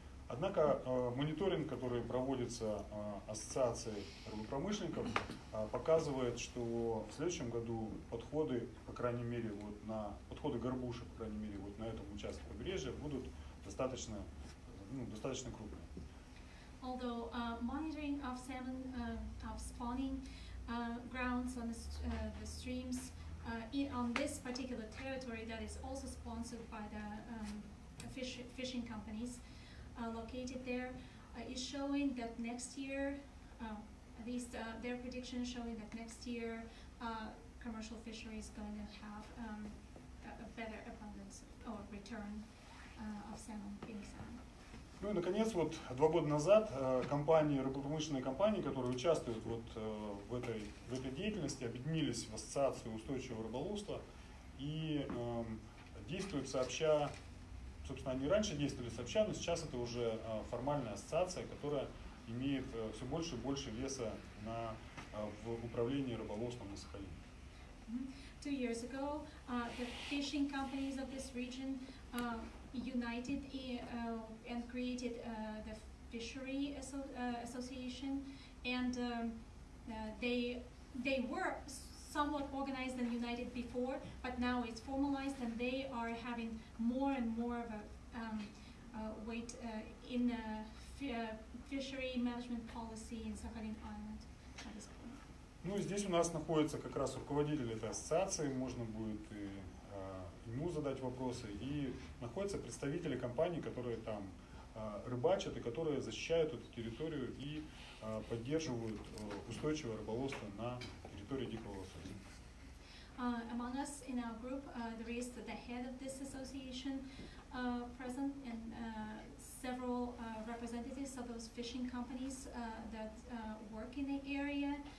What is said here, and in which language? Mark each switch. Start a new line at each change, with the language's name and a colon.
Russian: Однако мониторинг, который проводится ассоциацией рыбопромышленников, показывает, что в следующем году подходы, по крайней мере, вот на подходы горбуши, по крайней мере, вот на этом участке побережья будут достаточно, ну, достаточно крупные.
English: Although monitoring of salmon of spawning grounds on the streams on this particular territory that is also sponsored by the fishing companies located there is showing that next year, at least their prediction is showing that next year commercial fishery is going to have a better abundance or return of salmon, pink salmon.
Russian: Ну и наконец, вот два года назад компании, рыбопромышленные компании, которые участвуют вот в этой деятельности, объединились в ассоциацию устойчивого рыболовства и действуют сообща. Собственно, они раньше действовали сообща, но сейчас это уже формальная ассоциация, которая имеет все больше и больше веса в управлении рыболовством на Сахалине.
English: Two years ago, the fishing companies of this region united and created the fishery association, and they were somewhat organized and united before, but now it's formalized, and they are having more and more of a weight in the fishery management policy in Sakhalin Island.
Russian: Ну, здесь у нас находится как раз руководитель этой ассоциации, можно будет ему задать вопросы, и находятся представители компаний, которые там рыбачат и которые защищают эту территорию и поддерживают устойчивое рыболовство на территории Дикого Лосося.
English: Among us in our group, there is the head of this association present, and several representatives of those fishing companies that work in the area.